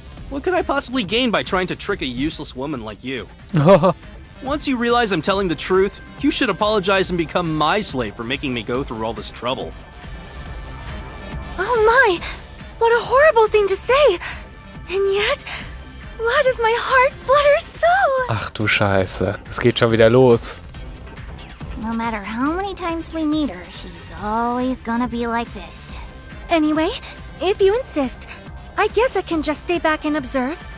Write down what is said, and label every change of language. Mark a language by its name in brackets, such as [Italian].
[English] What could I possibly gain by trying to trick a useless woman like you? Once you realize I'm telling the truth, you should apologize and become my slave for making me go through all this trouble. Oh my! What a horrible thing to say! And yet, why does my heart flutter so? [German] Ach du Scheiße, es geht schon wieder los. [English] No matter how many times we meet her, she's always gonna be like this. Anyway, if you insist, I guess I can just stay back and observe.